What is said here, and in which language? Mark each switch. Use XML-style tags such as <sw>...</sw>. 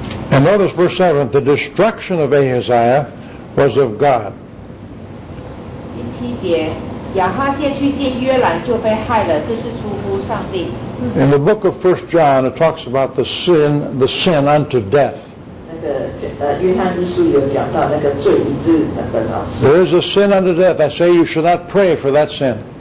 <en>And notice verse 7, the destruction of Ahaziah was of God.</en> <zh>第七节, 亚哈谢去见约兰就被害了，这是出乎上帝。</zh> <en>In the book of 1 John, it talks about the sin unto death.</en> <zh>那个约翰之书有讲到那个罪以致的本老师。</zh> <en>There is a sin unto death. I say you should not pray for that sin.</en>